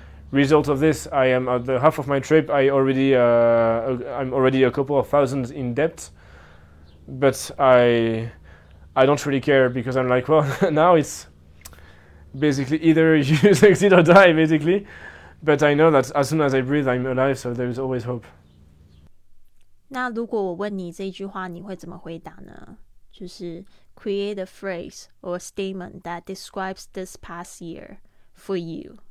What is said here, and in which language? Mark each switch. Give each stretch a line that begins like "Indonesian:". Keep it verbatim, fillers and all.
English: Result of this, I am at the half of my trip. I already, uh, I'm already a couple of thousands in debt, but I, I don't really care because I'm like, well, now it's basically either you succeed or die, basically. But I know that as soon as I breathe, I'm alive, so there is always hope.
Chinese: 那如果我问你这一句话，你会怎么回答呢？
English: 就是 create a phrase or statement that describes this past year for you.